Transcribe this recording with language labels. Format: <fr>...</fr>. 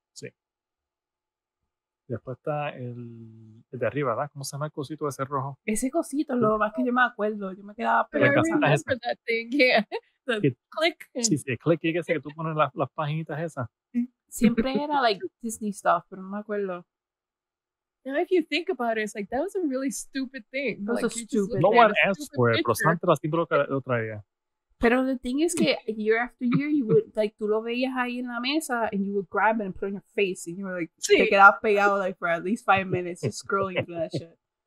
<es>Sí. Después está el de arriba, ¿verdad? ¿Cómo se llama el cosito ese rojo? Ese cosito, lo más que yo me acuerdo. Yo me quedaba</es> <en>pegada. I remember esa. That thing, yeah. The click.</en> <es>Sí, sí, el click, y que sé que tú pones las paginitas esas. Siempre era</es> <en>like Disney stuff,</en> <es>pero no me acuerdo.</es> <en>Now, if you think about it, it's like, that was a really stupid thing. That was like, a stupid thing. No one asked for it,</en> <es>pero Santa la siempre lo traía.</es> <en>Pero the thing is que year after year, you would, like,</en> <es>tú lo veías ahí en la mesa,</es> <en>and you would grab it and put it on your face, and you were like, sí.</en> <es>Te quedas pegado,</es> <en>like, for at least 5 minutes, just scrolling through that shit.</en>